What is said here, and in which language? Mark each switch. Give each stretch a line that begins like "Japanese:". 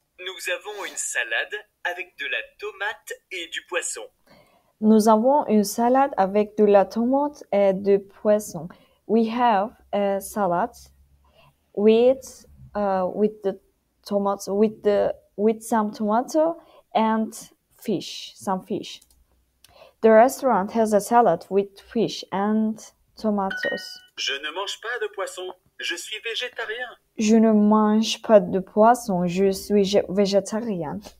French: Nous avons une salade avec de la tomate et du poisson. Nous avons une salade avec de la tomate et du poisson.
English: We have a salad with some tomato and fish, some fish. The restaurant has a salad with fish and tomatoes.
French: Je ne mange pas de poisson, je suis végétarien. Je ne mange pas de poisson, je suis végétarien.